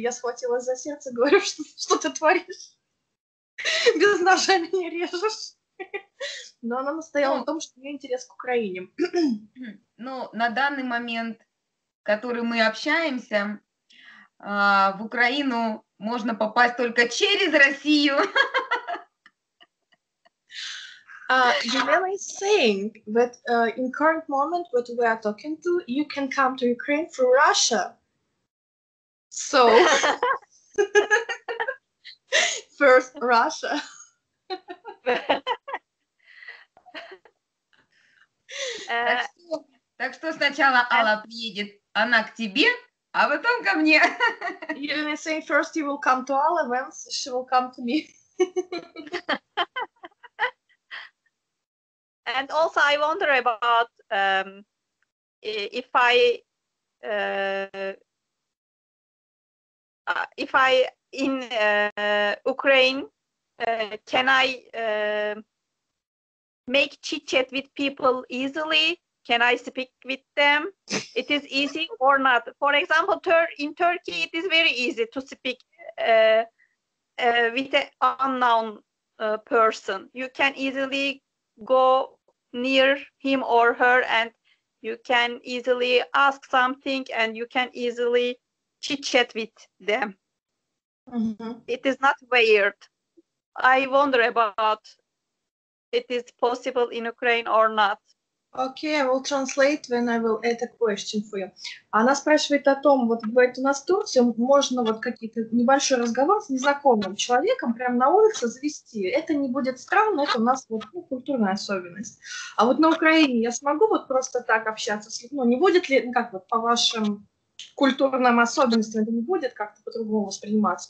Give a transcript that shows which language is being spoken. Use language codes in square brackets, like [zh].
[ru] Я схватилась за сердце, говорю, что ты творишь? Без ножа меня режешь. Но она настояла на том, что у нее интерес к Украине. Ну, на данный момент, в который мы общаемся, в Украину можно попасть только через Россию. [en] Елена is saying that in current moment, what we are talking to, you can come to Ukraine through Russia. So, first Russia. [ru] Так что сначала Алла приедет, она к тебе, а потом ко мне. [en] Елена is saying first you will come to Alla, then she will come to me. And also I wonder about if I in Ukraine can I make chit chat with people easily? Can I speak with them? It is easy or not? For example, in Turkey it is very easy to speak with an unknown person. You can easily go near him or her, and you can easily ask something, and you can easily chit chat with them. Mm-hmm. It is not weird. I wonder about it is possible in Ukraine or not. Okay, I will translate when I will add a question for you. [ru] Она спрашивает о том, вот говорит, у нас в Турции можно вот какие-то небольшой разговор с незнакомым человеком прямо на улице завести. Это не будет странно, это у нас вот, ну, культурная особенность. А вот на Украине я смогу вот просто так общаться с людьми? Ну, не будет ли, ну, как вот по вашим культурным особенностям, это не будет как-то по-другому восприниматься?